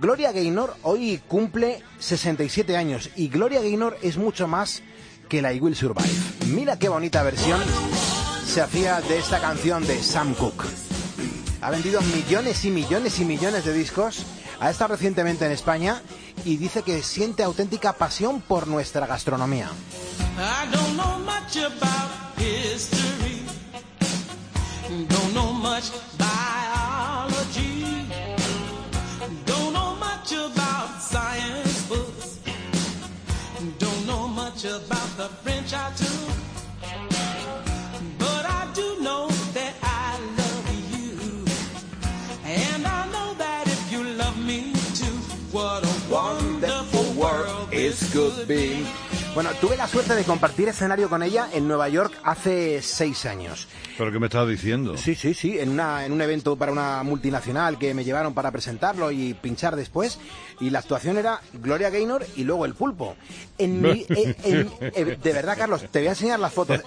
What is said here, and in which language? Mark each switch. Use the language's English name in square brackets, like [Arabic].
[Spanish] Gloria Gaynor hoy cumple 67 años y Gloria Gaynor es mucho más que la I Will Survive. Mira qué bonita versión se hacía de esta canción de Sam Cooke. Ha vendido millones y millones y millones de discos. Ha estado recientemente en España y dice que siente auténtica pasión por nuestra gastronomía. [English] I don't know much about history. Don't know much biology. Don't know much about science books. Don't know much about the French I took. But I do know that I love you. And I know that if you love me too, what a wonderful world this could be. [Spanish] Bueno, tuve la suerte de compartir escenario con ella en Nueva York hace 6 años. ¿Pero qué me estás diciendo? Sí, en un evento para una multinacional que me llevaron para presentarlo y pinchar después. Y la actuación era Gloria Gaynor y luego el Pulpo. De verdad, Carlos, te voy a enseñar las fotos.